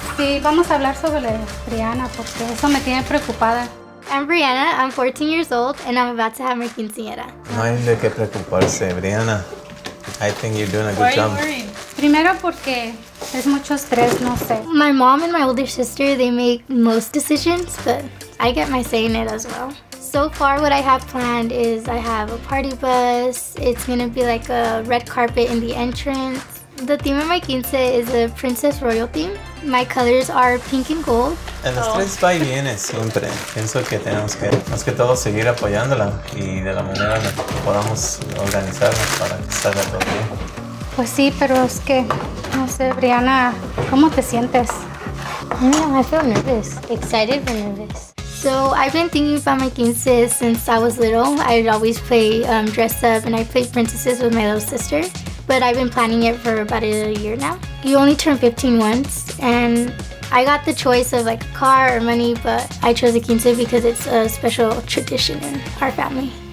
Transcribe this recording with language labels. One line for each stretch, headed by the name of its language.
Spanish: Sí, vamos a hablar sobre Brianna porque eso me tiene preocupada.
English: I'm Brianna, I'm 14 years old, and I'm about to have my quinceañera.
Spanish: No hay de qué preocuparse,
English: Brianna. I think you're doing a good job. Why are you worried?
Spanish: Primero porque es mucho estrés, no sé.
English: My mom and my older sister, they make most decisions, but I get my say in it as well. So far, what I have planned is I have a party bus. It's gonna be like a red carpet in the entrance. The theme of my quince is a princess royal theme. My colors are pink and gold.
Spanish: El estrés va y viene siempre. Pienso que tenemos que, más que todo, seguir apoyándola y de la manera en la que podamos organizarla para que salga todo bien. Pues sí, pero es que, no sé, Brianna, ¿cómo te sientes?
English: I feel nervous. Excited but nervous. So I've been thinking about my quince since I was little. I'd always play dress up and I played princesses with my little sister. But I've been planning it for about a year now. You only turn 15 once, and I got the choice of like car or money, but I chose a quince because it's a special tradition in our family.